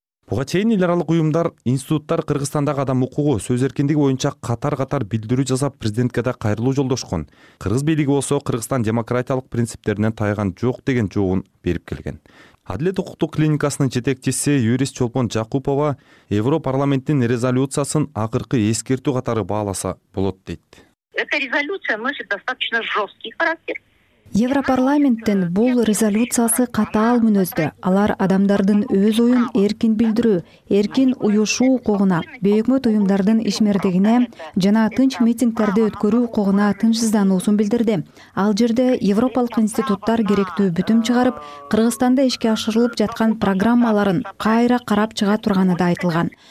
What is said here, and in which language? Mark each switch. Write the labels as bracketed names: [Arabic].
[Kyrgyz] Буга чейин эл аралык уюмдар, институттар Кыргызстандагы адам укугу, сөз эркиндиги боюнча катар-катар билдирүү жасап президентке да кайрылуу жолдошкон. Кыргыз бийлиги болсо Кыргызстан демократиялык принциптеринен тайган жок деген жообун берип келген. Адилет укуктук клиникасынын жетекчиси юрист Чолпон Жакупова Европарламенттин резолюциясын акыркы эскертүү катары бааласа болот дейт. [Russian] Эта резолюция носит достаточно жесткий характер. [Kyrgyz] Европарламенттин бул резолюциясы катаал мүнөздө. Алар адамдардын өз оюн эркин билдирүү, эркин уюшуу укугуна, бейөкмөт уюмдардын ишмердигине жана тынч митингдерди өткөрүү укугуна тынчсыздануусун билдирди. Ал жерде европалык институттар керектүү бүтүм чыгарып, Кыргызстанда ишке ашырылып жаткан программаларын кайра карап чыга турганы да айтылган.